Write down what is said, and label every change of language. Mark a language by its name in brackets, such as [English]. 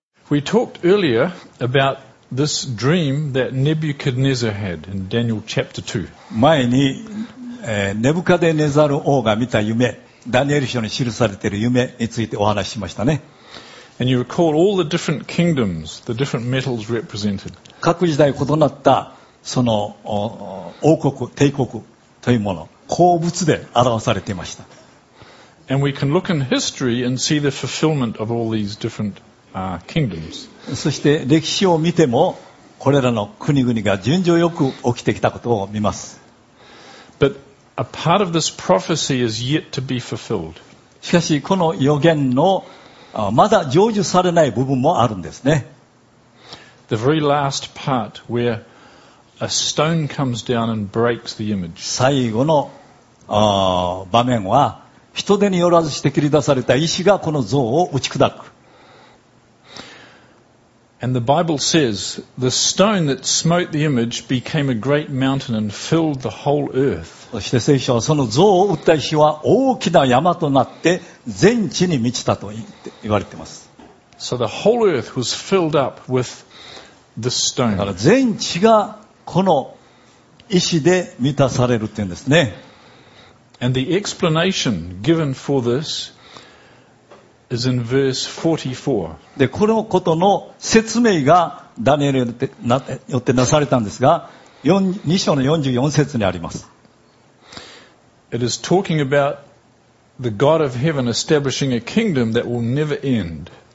[English] We talked earlier about this dream that Nebuchadnezzar had in Daniel chapter 2. [Japanese] 前に、ネブカデネザル王が見た夢、ダニエル書に記されている夢についてお話ししましたね。 [English] And you recall all the different kingdoms, the different metals represented. [Japanese] 各時代異なったその王国、帝国というもの、鉱物で表されていました。 [English] And we can look in history and see the fulfillment of all these different kingdoms. [Japanese] そして歴史を見ても、これらの国々が順序よく起きてきたことを見ます。 [English] But a part of this prophecy is yet to be fulfilled. [Japanese] しかし、この予言のまだ成就されない部分もあるんですね。 [English] The very last part where a stone comes down and breaks the image. [Japanese] 最後の場面は、人手によらずして切り出された石がこの像を打ち砕く。 [English] And the Bible says, the stone that smote the image became a great mountain and filled the whole earth. [Japanese] そして聖書はその像を打った石は大きな山となって全地に満ちたと言われています。 [English] So the whole earth was filled up with the stone. [Japanese] だから全地がこの石で満たされるって言うんですね。 [English] And the explanation given for this is in verse 44. [Japanese] で、このことの説明がダニエルによってなされたんですが、2章の44節にあります。 [English] It is talking about the God of heaven establishing a kingdom that will never end.